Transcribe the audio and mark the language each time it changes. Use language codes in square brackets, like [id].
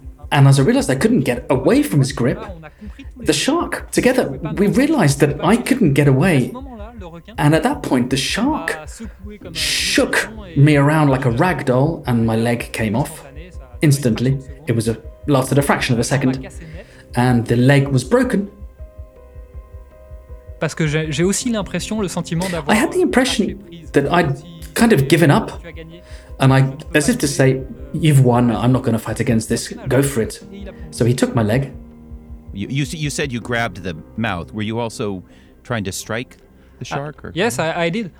[en] And as I realized I couldn't get away from his grip, the shark, together, we realized that I couldn't get away. And at that point, the shark shook me around like a rag doll, and my leg came off instantly. It was lasted a fraction of a second, and the leg was broken. [fr] Parce que j'ai aussi l'impression, le sentiment d'avoir. [en] I had the impression that I'd kind of given up, and I, as if to say, "You've won. I'm not going to fight against this. Go for it." So he took my leg. You said you grabbed the mouth. Were you also trying to strike the shark? Yes, I did.